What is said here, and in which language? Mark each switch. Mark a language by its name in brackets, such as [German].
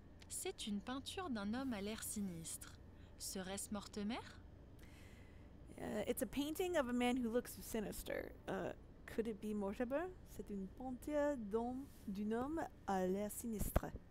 [French] C'est une peinture d'un homme à l'air sinistre. Serait-ce Mortemer? [English] It's a painting of a man who looks sinister. Could it be Mortemer? [French] C'est une peinture d'un homme à l'air sinistre.